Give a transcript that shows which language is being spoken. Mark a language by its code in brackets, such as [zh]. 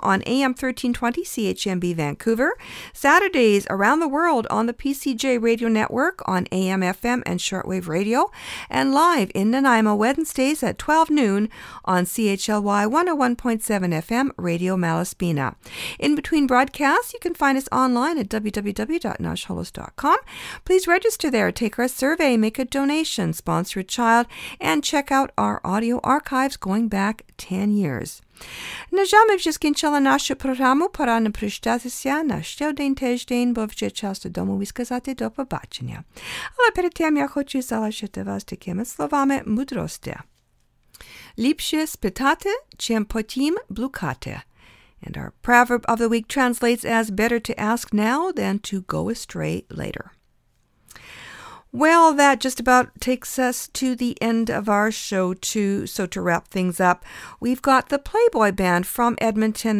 [en] on AM 1320 CHMB Vancouver, Saturdays around the world on the PCJ Radio Network on AM, FM, and shortwave radio, and live in Nanaimo Wednesdays at 12 noon on CHLY 101.7 FM Radio Malaspina. In between broadcasts, you can find us online at www.nashholos.com. Please register there, take our survey, make a donation, sponsor a child, and check out our audio archives going back 10 years. [uk] Наже ми вже скінчили нашу програму. Пора не прощатися на ще один тиждень, бо вже час додому і сказати до побачення. Але перед тим я хочу залишити вас такими словами мудрості. Ліпше спитати, чим потім блукати. [en] And our proverb of the week translates as better to ask now than to go astray later. Well, that just about takes us to the end of our show, too. So to wrap things up, we've got the Playboy Band from Edmonton.